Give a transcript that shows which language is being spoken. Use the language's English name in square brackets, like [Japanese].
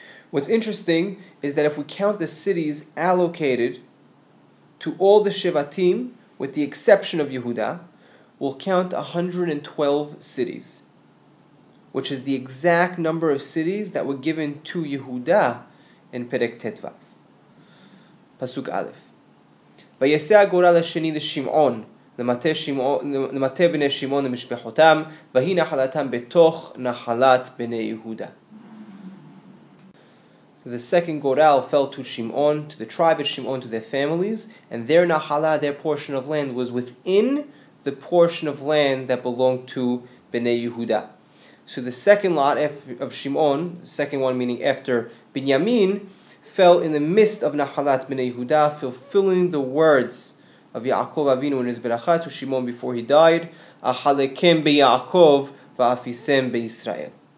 [English] What's interesting is that if we count the cities allocated to all the Shevatim, with the exception of Yehuda, we'll count 112 cities, which is the exact number of cities that were given to Yehuda in Perek Tetvav. Pasuk Aleph. [Hebrew] ויישא הגורל השני לשמעון, למטה בני שמעון למשפחותם, והיא נחלתם בתוך נחלת בני יהודה. [English] The second גורל fell to Shimon, to the tribe of Shimon, to their families, and their nahala, their portion of land, was within the portion of land that belonged to Bnei Yehuda. So the second lot of Shimon, second one meaning after Binyamin, fell in the midst of Nahalat Bnei Yehuda, fulfilling the words of Yaakov Avinu in his beracha to Shimon before he died, [Hebrew] Ahalekem beYaakov vaAfisem beYisrael.